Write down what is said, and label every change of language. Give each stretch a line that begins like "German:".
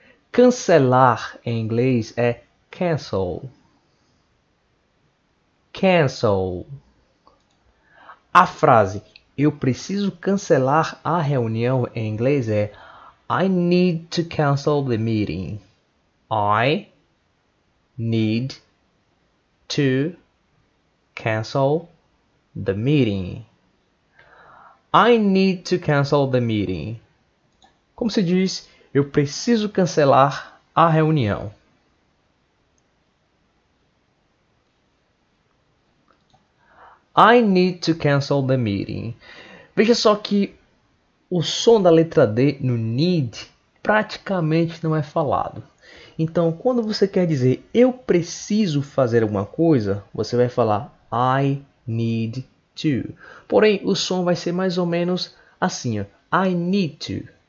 Portuguese: Cancelar em inglês é cancel. Cancel. A frase eu preciso cancelar a reunião em inglês é
English: I need to cancel the meeting. I need to cancel the meeting. I need to cancel the meeting.
Portuguese: Como se diz, eu preciso cancelar a reunião.
English: I need to cancel the meeting.
Portuguese: Veja só que o som da letra D no need praticamente não é falado. Então, quando você quer dizer eu preciso fazer alguma coisa, você vai falar
English: I need to.
Portuguese: Porém, o som vai ser mais ou menos assim, ó.
English: I need to.